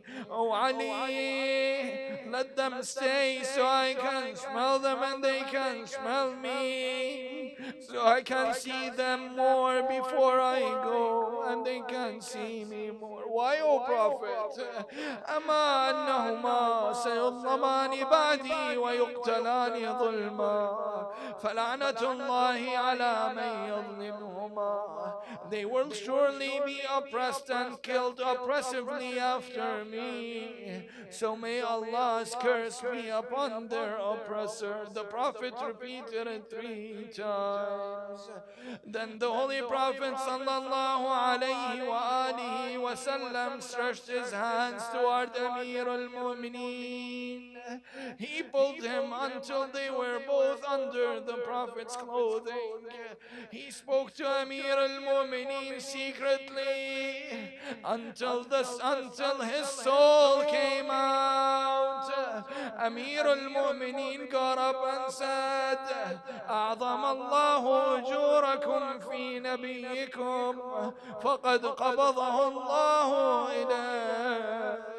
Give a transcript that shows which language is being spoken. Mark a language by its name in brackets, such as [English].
[English] Oh Ali, let them stay so I can smell them and they can smell me, so I can see them more before I go and they can see me more. Why, O Prophet? [Arabic] أما أنهما سيظلمان بعدي ويقتلان ظلما فلعنة الله على من يظلمهما. [English] They will surely be oppressed and killed oppressively after me. So may Allah's curse be upon their oppressor. The Prophet repeated it 3 times. Then the Holy Prophet sallallahu alayhi wa alihi wa sallam stretched his hands toward Amir al-Mu'mineen. He pulled him until they were both under the Prophet's clothing. He spoke to Amir al-Mu'mineen secretly until his soul came out. Amir al-Mu'mineen got up and said, [Arabic] "أعظم الله أجوركم في نبيكم فقد قبضه الله إليه."